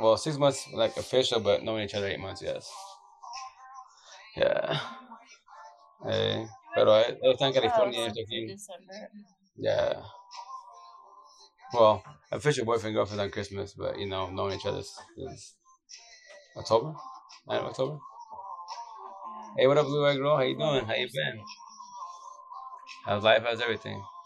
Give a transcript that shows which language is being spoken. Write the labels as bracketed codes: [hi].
[en] Well, 6 months like official, but knowing each other 8 months, yes. Yeah. [es] Pero él está en California, yo estoy aquí. [en] Yeah. Well, official boyfriend girlfriend on Christmas, but you know, knowing each other is October, 9 of October. Hey, what up, Blue Eye Girl? How you doing? How you been? How's life? How's everything?